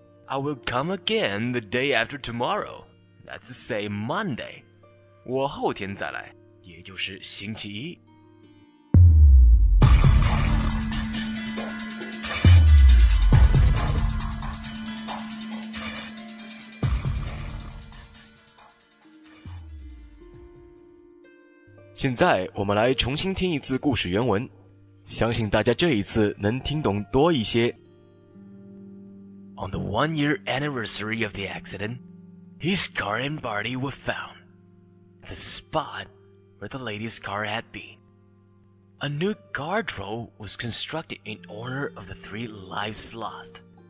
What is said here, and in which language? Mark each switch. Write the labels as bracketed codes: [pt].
[en] I will come again the day after tomorrow, that's to say Monday. [zh] 我后天再来，也就是星期一。现在我们来重新听一次故事原文，相信大家这一次能听懂多一些。 [en] On the 1 year anniversary of the accident, his car and body were found the spot where the lady's car had been. A new guardrail was constructed in honor of the 3 lives lost.